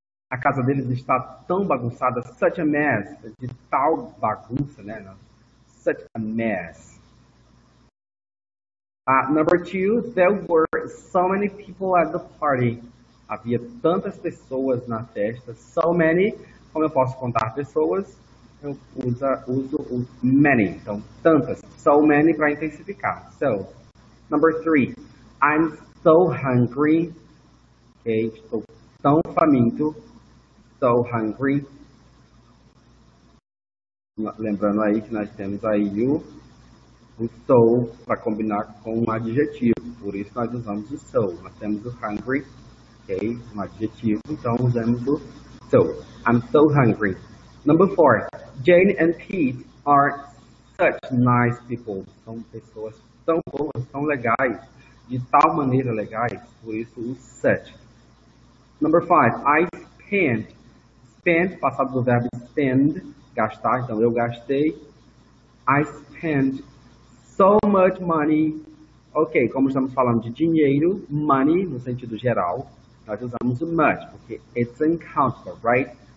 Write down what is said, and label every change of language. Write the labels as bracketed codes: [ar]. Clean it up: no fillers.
[pt] A casa deles está tão bagunçada, [en] such a mess, [pt] de tal bagunça, né? [en] Such a mess. Number two, there were so many people at the party. [pt] Havia tantas pessoas na festa. [en] So many, [pt] como eu posso contar pessoas, eu uso o many. Então, tantas. [en] So many [pt] para intensificar. [en] So, number three, I'm so hungry. [pt] Ok, estou tão faminto. [en] So hungry. [pt] Lembrando aí que nós temos aí o so para combinar com um adjetivo. Por isso nós usamos o so. Nós temos o hungry. Ok, um adjetivo, então usamos o so. [en] I'm so hungry. Number four, Jane and Pete are such nice people. [pt] São pessoas tão boas, tão legais, de tal maneira legais, por isso o such. [en] Number five, I spent, [pt] passado do verbo spend, gastar, então eu gastei. [en] I spent so much money. [pt] Ok, como estamos falando de dinheiro, money no sentido geral, nós usamos o much, porque [en] it's uncountable, right?